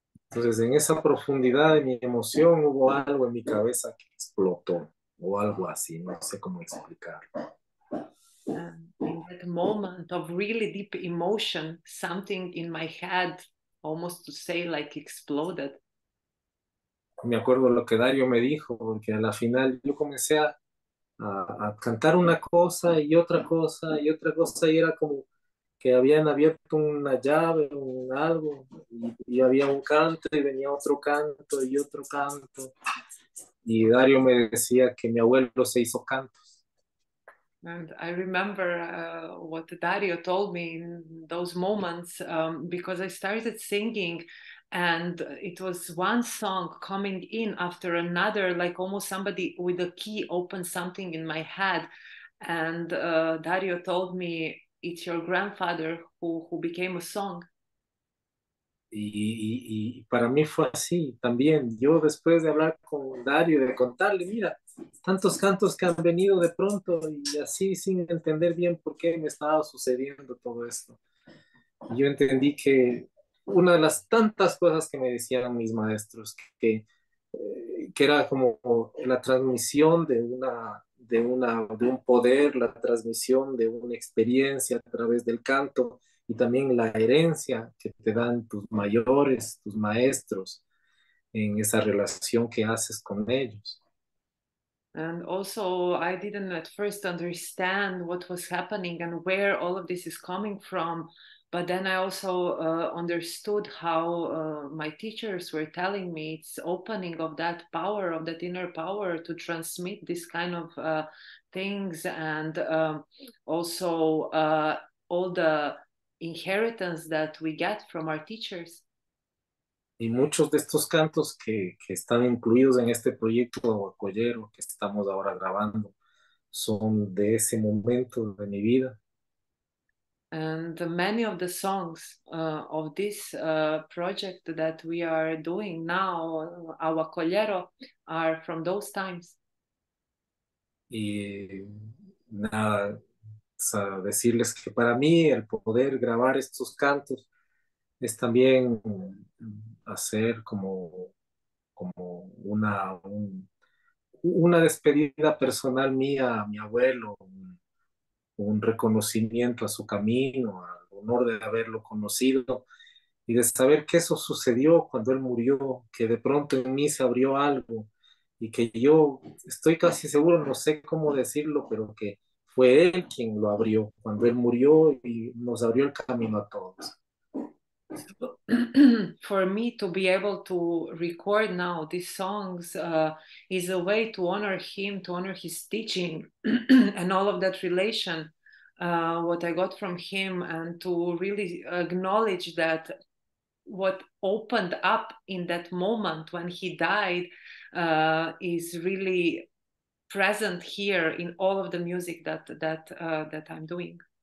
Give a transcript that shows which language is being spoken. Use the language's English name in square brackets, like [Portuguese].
[Spanish] Entonces, en esa profundidad de mi emoción hubo algo en mi cabeza que explotó, o algo así, no sé cómo explicarlo. [English] In that moment of really deep emotion, something in my head almost to say like exploded. [Spanish] Me acuerdo lo que Dario me dijo, porque a la final yo comencé a cantar una cosa y otra cosa y otra cosa, y era como que habían abierto una llave o algo, y había un canto y venía otro canto y otro canto. Y Dario me decía que mi abuelo se hizo cantos. [English] And I remember what Dario told me in those moments because I started singing and it was one song coming in after another, like almost somebody with a key opened something in my head. And Dario told me, it's your grandfather who became a song. [Spanish] Y para mí fue así también. Yo después de hablar con Dario, de contarle, mira, tantos cantos que han venido de pronto y así sin entender bien por qué me estaba sucediendo todo esto. Yo entendí que una de las tantas cosas que me decían mis maestros, que era como la transmisión de un poder, la transmisión de una experiencia a través del canto. Y también la herencia que te dan tus mayores, tus maestros, en esa relación que haces con ellos. [English] And also, I didn't at first understand what was happening and where all of this is coming from. But then I also understood how my teachers were telling me it's opening of that power, of that inner power to transmit this kind of things. And also, all the inheritance that we get from our teachers. [Spanish] Y muchos de estos cantos que están incluidos en este proyecto Awakollero que estamos ahora grabando son de ese momento de mi vida. [English] And many of the songs of this project that we are doing now, Awakollero, are from those times. [Spanish] Y nada, decirles que para mí el poder grabar estos cantos es también hacer como una despedida personal mía a mi abuelo, un reconocimiento a su camino, al honor de haberlo conocido y de saber que eso sucedió cuando él murió, que de pronto en mí se abrió algo y que yo estoy casi seguro, no sé cómo decirlo, pero que fue él quien lo abrió cuando él murió y nos abrió el camino a todos. [English] So, for me to be able to record now these songs is a way to honor him, to honor his teaching and all of that relation, what I got from him, and to really acknowledge that what opened up in that moment when he died is really present here in all of the music that I'm doing.